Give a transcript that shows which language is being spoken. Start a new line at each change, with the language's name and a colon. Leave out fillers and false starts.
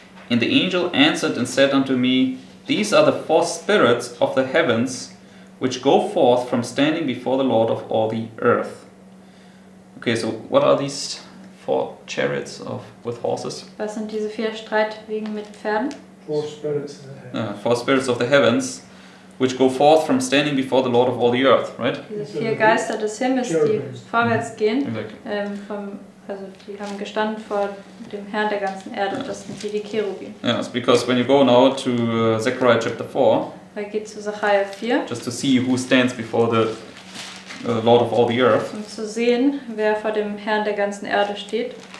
English: And the angel answered and said unto me, these are the four spirits of the heavens, which go forth from standing before the Lord of all the earth. Okay, so what are these four chariots of with horses?
German: Was sind diese vier Streitwegen mit Pferden?
English: Four spirits of the heavens. Four spirits of the heavens, which go forth from standing before the Lord of all the earth, right?
German: Diese vier Geister des Himmels, die vorwärts gehen, also die haben gestanden vor dem Herrn der ganzen Erde, das sind die Cherubim.
English: Yes, because when you go now to Zechariah chapter 4,
German: weil geht zu Zechariah 4,
English: just to see who stands before the Lord of all the earth,
German: um zu sehen, wer vor dem Herrn der ganzen Erde steht.